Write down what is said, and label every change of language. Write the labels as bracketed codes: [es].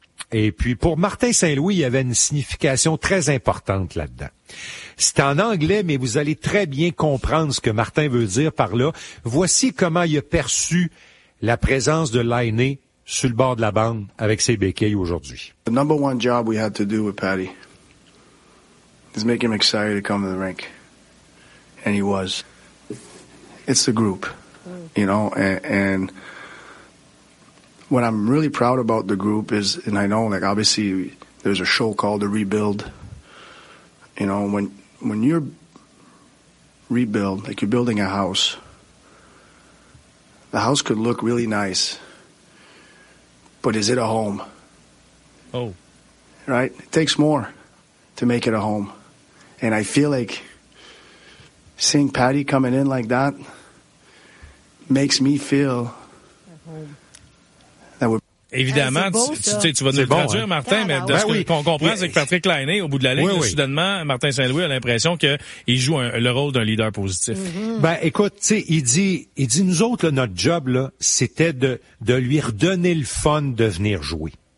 [fr] Et puis, pour Martin Saint-Louis, il y avait une signification très importante là-dedans. C'est en anglais, mais vous allez très bien comprendre ce que Martin veut dire par là. Voici comment il a perçu la présence de Laine sur le bord de la bande avec ses béquilles aujourd'hui. [en] The number one job we had to do with Patty is make him excited to come to the rink. And he was. It's the group, you know, and what I'm really proud about the group is, and I know, like, obviously, there's a show called The Rebuild. You know, when you're rebuild, like you're building a house, the house could look really nice, but is it a home? Oh. Right? It takes more to make it a home. And I feel like seeing Patty coming in like that makes me feel... [fr] évidemment, tu vas nous le traduire, Martin, mais de ce qu'on comprend, c'est que Patrick Laine, au bout de la ligne, soudainement, Martin Saint-Louis a l'impression qu'il joue le rôle d'un leader positif. Ben, écoute, tu sais, il dit, nous autres, là, notre job, là, c'était de lui redonner le fun de venir jouer.